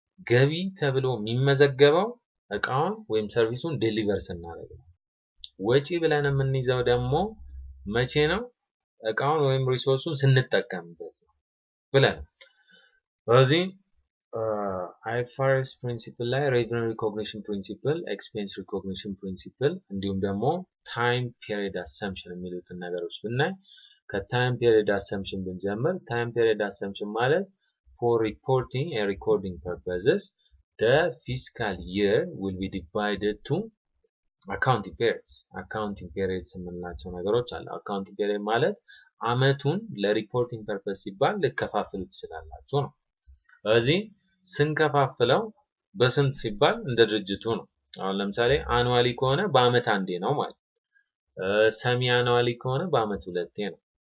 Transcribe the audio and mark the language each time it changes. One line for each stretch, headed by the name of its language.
Amharic: ገቢ ተብሎ የሚመዘገበው እቃውን ወይም ሰርቪሱን ዴሊቨር ስናደርግ ነው። ወጪ ብለን የምንይዘው ደግሞ መቼ ነው? እቃውን ወይም ሪሶርሱን ስንጠቀምበት ነው ብለን ስለዚህ IFRS principle ላይ revenue recognition principle, expense recognition principle እንዲሁም ደግሞ time period assumption የሚሉትን ነገሮች ብናይ ከtime period assumption ብንጀምር time period assumption ማለት
English: for reporting and recording purposes the fiscal year will be divided to accounting periods.
Amharic: accounting periods የምንላቸው ነገሮች አለ። accounting period ማለት አመቱን ለreporting purpose ሲባል ልከፋፍሉ ትችላላችሁ ነው። ስለዚህ ስንከፋፍለው በስንት ሲባል እንደ ድርጅቱ ነው። አሁን ለምሳሌ አኑዋሊ ከሆነ በአመት አንዴ ነው ማለት፣ ሰሚ አኑዋሊ ከሆነ በአመት ሁለቴ ነው፣